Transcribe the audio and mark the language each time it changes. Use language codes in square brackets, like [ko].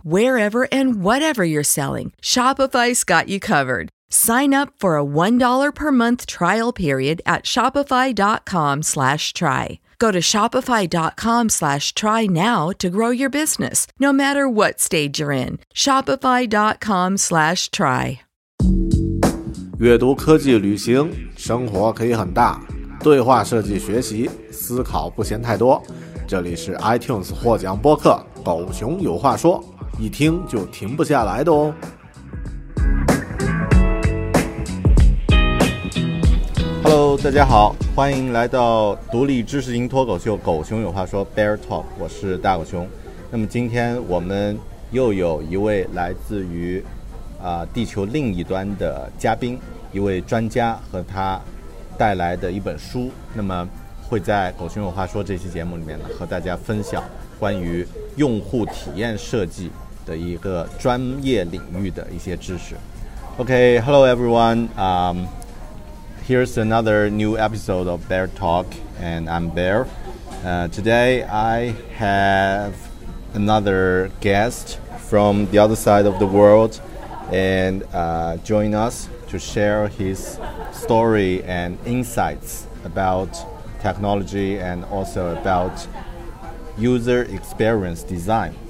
[en] Wherever and whatever you're selling, Shopify's got you covered. Sign up for a $1 per month trial period at shopify.com/try. Go to shopify.com/try now to grow your business, no matter what stage you're in. shopify.com/try. [zh] 阅读、科技、旅行，生活可以很大。对话设计、学习、思考不嫌太多。这里是 iTunes 获奖播客《狗熊有话说》，一听就停不下来的哦。 Hello， 大家好，欢迎来到独立知识型脱口秀《狗熊有话说》（Bear Talk）， 我是大狗熊。那么今天我们又有一位来自于地球另一端的嘉宾，一位专家和他带来的一本书，那么会在狗熊有话说这期节目里面呢和大家分享关于用户体验设计的一个专业领域的一些知识。 [en] OK, hello everyone, here's another new episode of Bear Talk and I'm Bear. Today I have another guest from the other side of the worldand join us to share his story and insights about technology and also about user experience design.